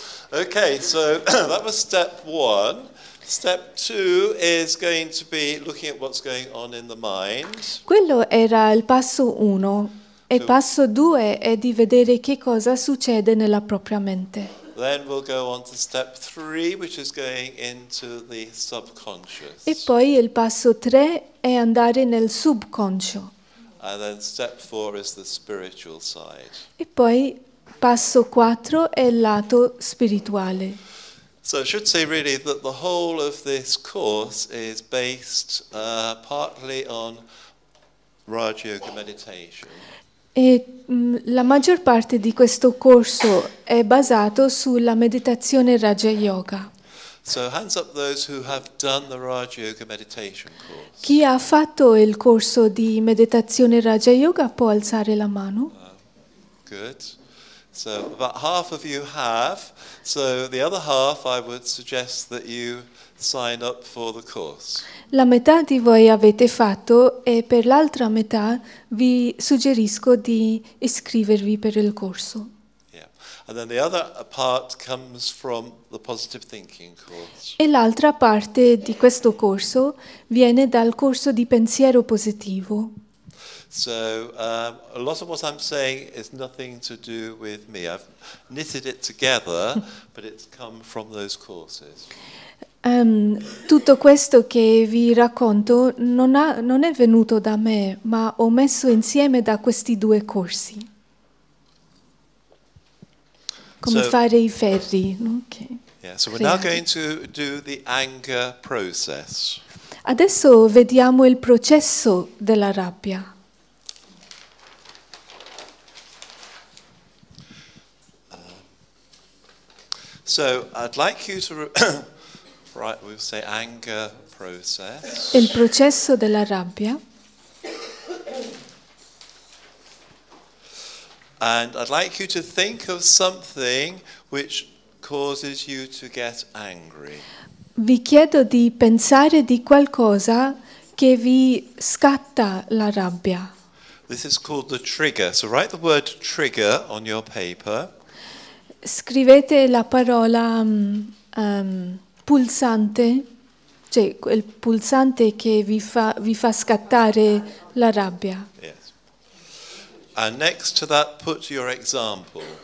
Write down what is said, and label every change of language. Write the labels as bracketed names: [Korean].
[English] Okay, so that was step one. Step two is going to be looking at what's going on in the mind. [Italian] Quello era il passo uno. E passo due è di vedere che cosa succede nella propria mente. [English] Then we'll go on to step three, which is going into the subconscious. [Italian] E poi il passo tre è andare nel subconscio. [English] And then step four is the spiritual side. [Italian] E poi passo quattro è il lato spirituale. [English] So I should say really that the whole of this course is based partly on Raja Yoga meditation. [Italian] E la maggior parte di questo corso è basato sulla meditazione Raja Yoga. [English] So hands up those who have done the Raja Yoga meditation course. [Italian] Chi ha fatto il corso di meditazione Raja Yoga può alzare la mano. [English] Good. So about half of you have. So the other half, I would suggest that you sign up for the course. [Italian] La metà di voi avete fatto e per l'altra metà vi suggerisco di iscrivervi per il corso. [English] Yeah. And then the other part comes from the positive thinking course. [Italian] E l'altra parte di questo corso viene dal corso di pensiero positivo. [English] So a lot of what I'm saying is nothing to do with me. I've knitted it together, but it's come from those courses. [Italian] Tutto questo che vi racconto non è venuto da me, ma ho messo insieme da questi due corsi. Come so, fare i ferri, ok? [English] Yeah, so we're now going to do the anger process. [Italian] Adesso vediamo il processo della rabbia. [English] So I'd like you to right, we'll say anger process. [Italian] Il processo della rabbia. [English] And I'd like you to think of something which causes you to get angry. [Italian] Vi chiedo di pensare di qualcosa che vi scatta la rabbia. [English] This is called the trigger. So write the word trigger on your paper. [Italian] Scrivete la parola pulsante, cioè il pulsante che vi fa scattare la rabbia. [English] Yes. And next to that, put your example.